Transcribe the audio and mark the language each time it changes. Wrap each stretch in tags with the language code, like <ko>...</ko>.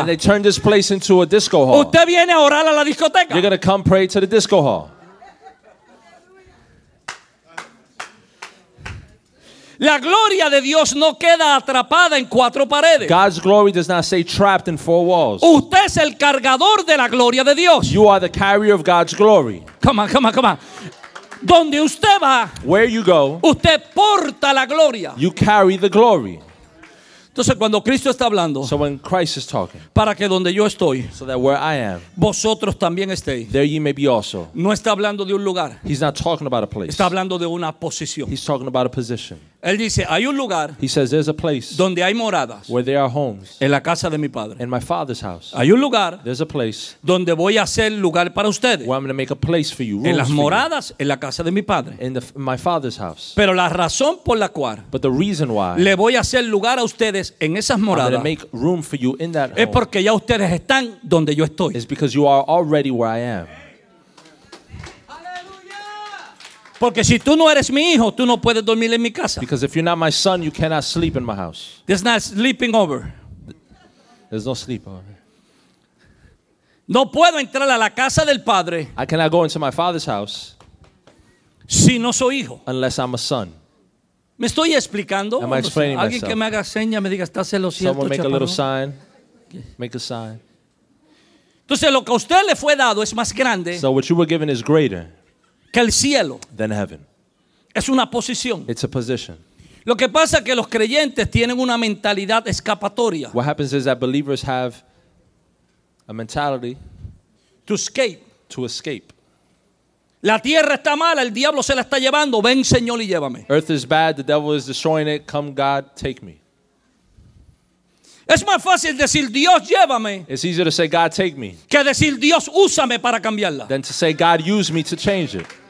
<en>and they turn this place into a disco hall,</en> <es>usted viene a orar a la discoteca,</es> <en>you're going to come pray to the disco hall.</en> <es>La gloria de Dios no queda atrapada en cuatro paredes.</es> <en>God's glory does not stay trapped in four walls.</en> <es>Usted es el cargador de la gloria de Dios.</es> <en>You are the carrier of God's glory. Come on, come on, come on.</en> <es>Donde usted va,</es> <en>where you go,</en> <es>usted porta la gloria.</es> <en>You carry the glory.</en> <es>Entonces cuando Cristo está hablando,</es> <en>so when Christ is talking,</en> <es>para que donde yo estoy,</es> <en>so that where I am,</en> <es>vosotros también estéis,</es> <en>there ye may be also.</en> <es>No está hablando de un lugar.</es> <en>He's not talking about a place.</en> <es>Está hablando de una posición.</es> <en>He's talking about a position.</en> <es>Él dice, hay un lugar,</es> <en>he says, there's a place,</en> <es>donde hay moradas,</es> <en>where there are homes,</en> <es>en la casa de mi padre,</es> <en>in my father's house.</en> <es>Hay un lugar,</es> <en>there's a place,</en> <es>donde voy a hacer lugar para ustedes,</es> <en>where I'm going to make a place for you,</en> <es>en las moradas, en la casa de mi padre,</es> <en>in my father's house.</en> <es>Pero la razón por la cual,</es> <en>but the reason why,</en> <es>le voy a hacer lugar a ustedes en esas moradas,</es> <en>I'm going to make room for you in that home,</en> <es>es porque ya ustedes están donde yo estoy,</es> <en>is because you are already where I am.</en> <es>Porque si tú no eres mi hijo, tú no puedes dormir en mi casa.</es> <en>Because if you're not my son, you cannot sleep in my house. There's not sleeping over. There's no sleep over.</en> <es>No puedo entrar a la casa del padre.</es> <en>I cannot go into my father's house.</en> <es>Si no soy hijo.</es> <en>Unless I'm a son.</en> <es>¿Me estoy explicando?</es> <en>Am I explaining myself?</en> <es>Alguien que me haga seña, me diga, ¿estás en lo cierto, chaparrón?</es> <en>Someone make a little sign. Make a sign.</en> <es>Entonces lo que a usted le fue dado es más grande.</es> <en>So what you were given is greater.</en> <es>Que el cielo.</es> <en>Than heaven.</en> <es>Es una posición.</es> <en>It's a position.</en> <es>Lo que pasa es que los creyentes tienen una mentalidad escapatoria.</es> <en>What happens is that believers have a mentality to escape. To escape.</en> <es>La tierra está mala, el diablo se la está llevando. Ven, Señor, y llévame.</es> <en>Earth is bad, the devil is destroying it. Come, God, take me.</en> <es>Es más fácil decir Dios llévame.</es> <en>It's easier to say God take me.</en> <es>Que decir Dios úsame para cambiarla.</es> <en>Than to say God use me to change it.</en>